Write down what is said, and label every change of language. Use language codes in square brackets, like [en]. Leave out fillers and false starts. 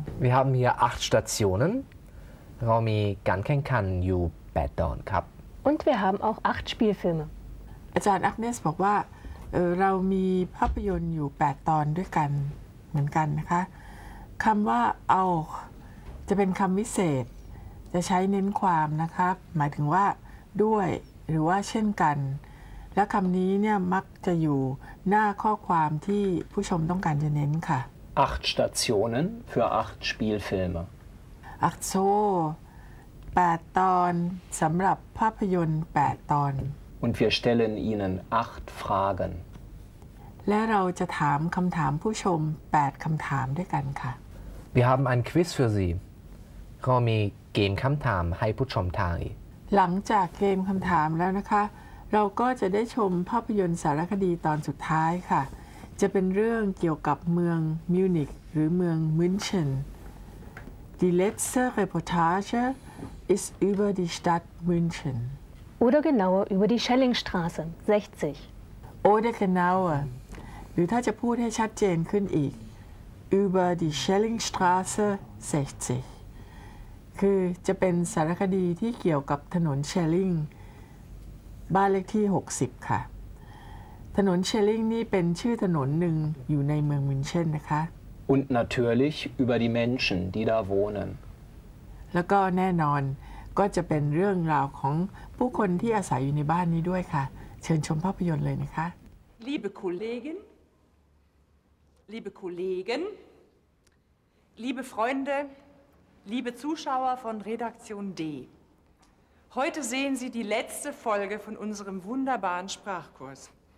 [en] We have here [th] 8 Stationen เรามีการแข่งขันอยู่8ตอนครับ [de] Und wir haben auch 8 Spielfilme [th] อาจารย์ Agnes บอกว่าเรามีภาพยนตร์อยู่8ตอนด้วยกันเหมือนกันนะคะคำว่า auch จะเป็นคำวิเศษจะใช้เน้นความนะครับหมายถึงว่าด้วยหรือว่าเช่นกันและคำนี้เนี่ยมักจะอยู่หน้าข้อความที่ผู้ชมต้องการจะเน้นค่ะ [de] 8 Stationen für 8 Spielfilme Ach so [th] 8ตอนสำหรับภาพยนตร์8ตอน [de] Und wir stellen Ihnen 8 Fragen [th] และเราจะถามคำถามผู้ชม8คำถามด้วยกันค่ะ [de] Wir haben ein Quiz für Sie [th] เรามีเกมคำถามให้ผู้ชมทาย หลังจากเกมคำถามแล้วนะคะเราก็จะได้ชมภาพยนตร์สารคดีตอนสุดท้ายค่ะจะเป็นเรื่องเกี่ยวกับเมืองมิวนิกหรือเมืองมินเชน [de] Die letzte Reportage ist über die Stadt München Oder genauer über die Schellingstraße 60 Oder genauer [th] หรือถ้าจะพูดให้ชัดเจนขึ้นอีก [de] Über die Schellingstraße 60 [th] คือจะเป็นสารคดีที่เกี่ยวกับถนนเชลลิงบ้านเลขที่60ค่ะถนนเชลลิงนี่เป็นชื่อถนนหนึ่งอยู่ในเมืองมินเชนนะคะ [de] Und natürlich über die Menschen die da wohnen [th] แล้วก็แน่นอนก็จะเป็นเรื่องราวของผู้คนที่อาศัยอยู่ในบ้านนี้ด้วยค่ะเชิญชมภาพยนตร์เลยนะคะ [de] Liebe Kollegen Liebe Kollegen Liebe FreundeLiebe Zuschauer von Redaktion D, heute sehen Sie die letzte Folge von unserem wunderbaren Sprachkurs.